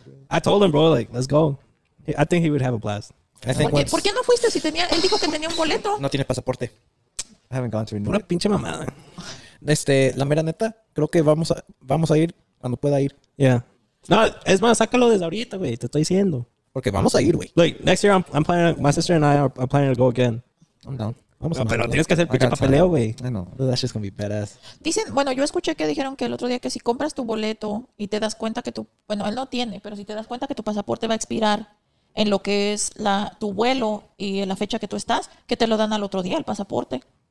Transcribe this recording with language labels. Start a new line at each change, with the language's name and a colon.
English: I told him, bro, like, let's go. I think he would have a blast.
Spanish: ¿Por qué no fuiste? Si tenía, él dijo que tenía un boleto. No tiene pasaporte.
English: I haven't gone to
Spanish: Renew. Pura pinche mamada. Este, la mera neta, creo que vamos a ir cuando pueda ir. Yeah. No, es más, sácalo desde ahorita, güey. Te estoy diciendo. Porque vamos a ir, güey.
English: Look, next year I'm planning, my sister and I are planning to go again. I'm down.
Spanish: Vamos, no, a pero tienes que hacer pinche papeleo, güey.
English: I know. That's just gonna be badass.
Spanish: Dicen, bueno, yo escuché que dijeron que el otro día que si compras tu boleto y te das cuenta que tu... Bueno, él no tiene, pero si te das cuenta que tu pasaporte va a expirar en lo que es tu vuelo y la fecha que tú estás, que te lo dan al otro día, el pasaporte.